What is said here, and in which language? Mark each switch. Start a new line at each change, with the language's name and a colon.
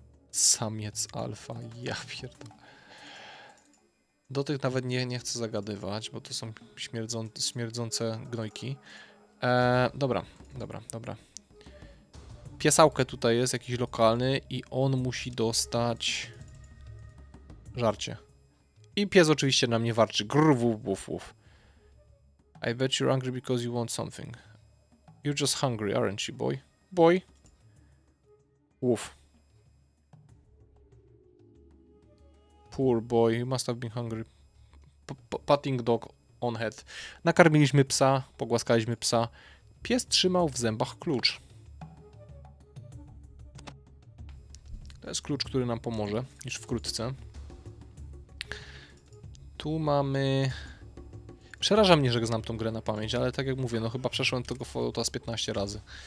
Polish: Samiec alfa, ja pierdolę. Do tych nawet nie chcę zagadywać, bo to są śmierdzące gnojki. Dobra. Piesałkę tutaj jest, jakiś lokalny i on musi dostać żarcie. I pies oczywiście na mnie warczy, grr, wuf, wuf, wuf.
English: I bet you're angry because you want something. You're just hungry, aren't you, boy? Boy? Woof. Poor boy, you must have been hungry. Patting dog on head.
Polish: Nakarmiliśmy psa, pogłaskaliśmy psa. Pies trzymał w zębach klucz. To jest klucz, który nam pomoże już wkrótce. Tu mamy... Przeraża mnie, że znam tą grę na pamięć, ale tak jak mówię, no chyba przeszłem tego fotota z 15 razy.